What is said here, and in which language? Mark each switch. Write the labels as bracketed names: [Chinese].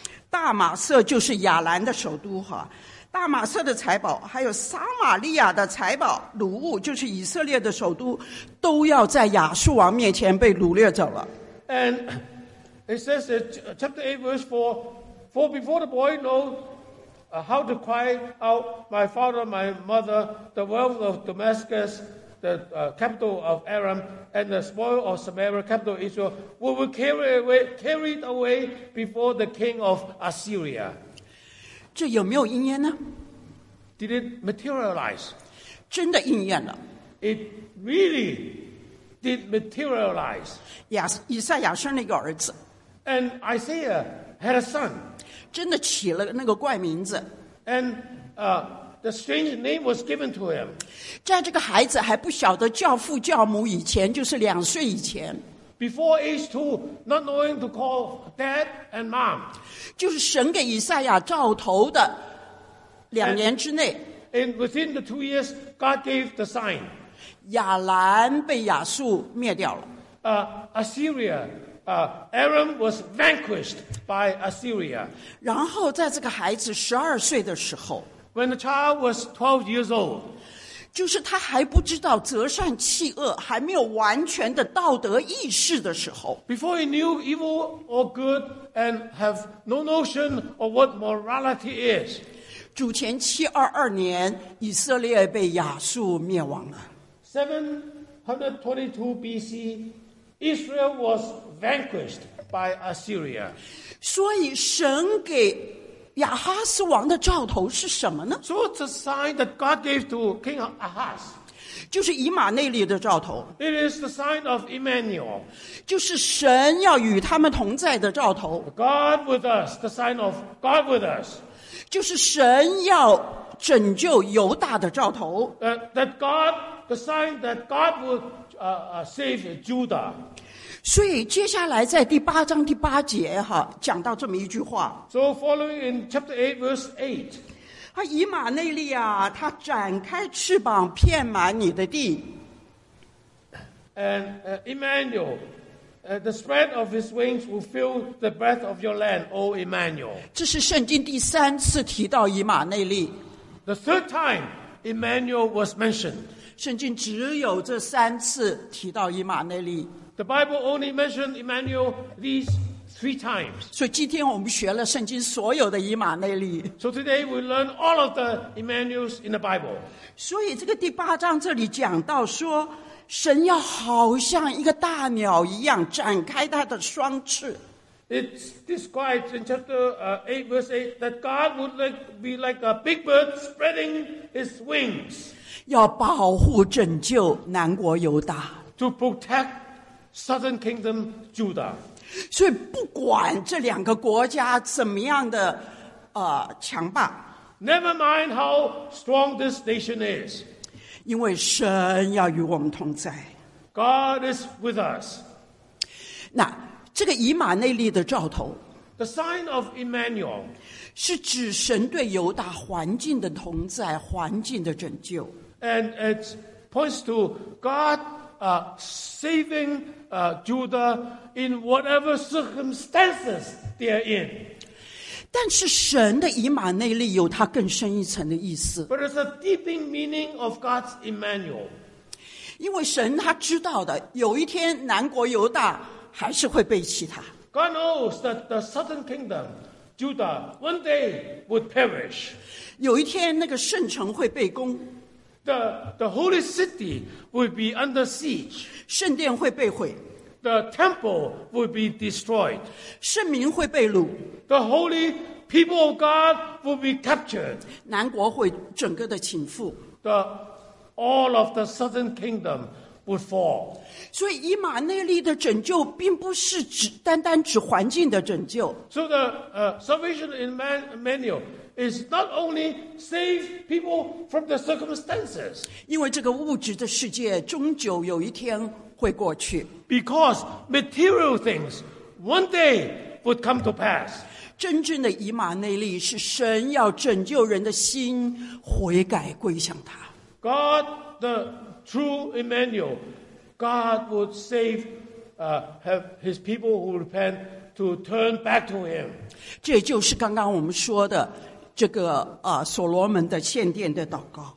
[Chinese] 大马色就是亚兰的首都哈，大马色的财宝还有撒玛利亚的财宝掳物，就是以色列的首都，都要在亚述王面前被掳掠走了。 [English] AndIt says in chapter 8, verse 4, For before the boy knows how to cry out, My father, my mother, the wealth of Damascus, the capital of Aram, and the spoil of Samaria, capital of Israel, will be carried away before the king of Assyria. [Chinese] 这有没有应验呢? [English] Did it materialize? [Chinese] 真的应验了。 [English] It really did materialize. [Chinese] Yes, 以赛亚生了一个儿子。 [English] And Isaiah had a son. [Chinese] 真的起了那个怪名字。 [English] And the strange name was given to him. [Chinese] 在这个孩子还不晓得教父教母以前，就是两岁以前。 [English] Before age two, not knowing to call dad and mom. [Chinese] 就是神给以赛亚兆头的两年之内。 [English] And within the 2 years, God gave the sign. [Chinese] 亚兰被亚述灭掉了。 [English] Assyria. Aram was vanquished by Assyria. [Chinese] 然后在这个孩子十二岁的时候 [English] ，When the child was 12 years old， [Chinese] 就是他还不知道择善弃恶，还没有完全的道德意识的时候 [English] ，Before he knew evil or good and have no notion of what morality is， [Chinese] 主前722年，以色列被亚述灭亡了。 [English] 722 BC。 Israel was vanquished by Assyria. [Chinese] 所以神给亚哈斯王的兆头是什么呢？ [English] So it's a sign that God gave to King Ahaz. [Chinese] 就是以马内利的兆头。 [English] It is the sign of Immanuel. [Chinese] 就是神要与他们同在的兆头。 [English] God with us, the sign of God with us. [Chinese] 就是神要拯救犹大的兆头。 [English] That God, the sign that God would save Judah. [Chinese] 所以接下来在第八章第八节哈，讲到这么一句话。 [English] So following in chapter 8 verse 8. [Chinese] 他以马内利啊，他展开翅膀遍满你的地。 [English] And Immanuel, the spread of his wings will fill the breadth of your land, O Immanuel. [Chinese] 这是圣经第三次提到以马内利。 [English] The third time Immanuel was mentioned. [Chinese] 圣经只有这三次提到以马内利。 [English] The Bible only mentioned Immanuel these three times. [Chinese] 所以今天我们学了圣经所有的以马内利。 [English] So today we learn all of the Immanuels in the Bible. [Chinese] 所以这个第八章这里讲到说，神要好像一个大鸟一样展开他的双翅。 [English] It's described in chapter 8 verse 8 that God would be like a big bird spreading his wings. [Chinese] 要保护拯救南国犹大。 [English] To protect Southern Kingdom Judah. [Chinese] 所以不管这两个国家怎么样的强霸。 [English] Never mind how strong this nation is. [Chinese] 因为神要与我们同在。 [English] God is with us. [Chinese] 那这个以马内利的兆头。 [English] The sign of Immanuel. [Chinese] 是指神对犹大环境的同在，环境的拯救。 [English] And it points to God saving Judah in whatever circumstances they are in. [Chinese] 但是神的以马内利有它更深一层的意思。 [English] But it's a deeper meaning of God's Immanuel. [Chinese] 因为神他知道的，有一天南国犹大还是会背弃他。 [English] God knows that the southern kingdom, Judah, one day would perish. [Chinese] 有一天那个圣城会被攻。 [English] The holy city would be under siege. [Chinese] 圣殿会被毁。 [English] The temple would be destroyed. [Chinese] 圣民会被掳。 [English] The holy people of God would be captured. [Chinese] 南国会整个的倾覆。 [English] All of the southern kingdom would fall. [Chinese] 所以以马内利的拯救并不是只单单指环境的拯救。 [English] So the salvation in Immanuel is not only save people from the circumstances. [Chinese] 因为这个物质的世界终究有一天会过去。 [English] Because material things one day would come to pass. [Chinese] 真正的以马内利是神要拯救人的心悔改归向他。 [English] God, the true Immanuel, God would save, have his people who repent to turn back to him. [Chinese] 这就是刚刚我们说的这个所罗门的献殿的祷告。